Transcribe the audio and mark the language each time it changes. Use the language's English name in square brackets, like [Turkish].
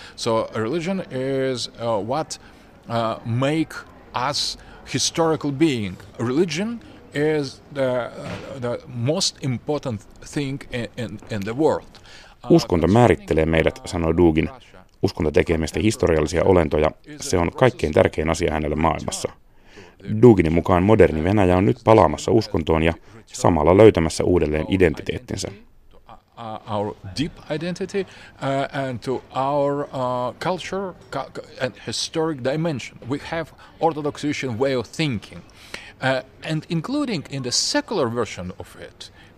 [English] So religion is what make us historical being. Religion is the most important thing in the world. [Finnish] Uskonto määrittelee meidät, sanoi Dugin. Uskonto tekee meistä historiallisia olentoja. Se on kaikkein tärkein asia hänelle maailmassa. Duginin mukaan moderni Venäjä on nyt palaamassa uskontoon ja samalla löytämässä uudelleen identiteettinsä. [English] Our deep identity and to our culture and historic dimension. We have Orthodox Christian way of thinking. And including in the secular version of it,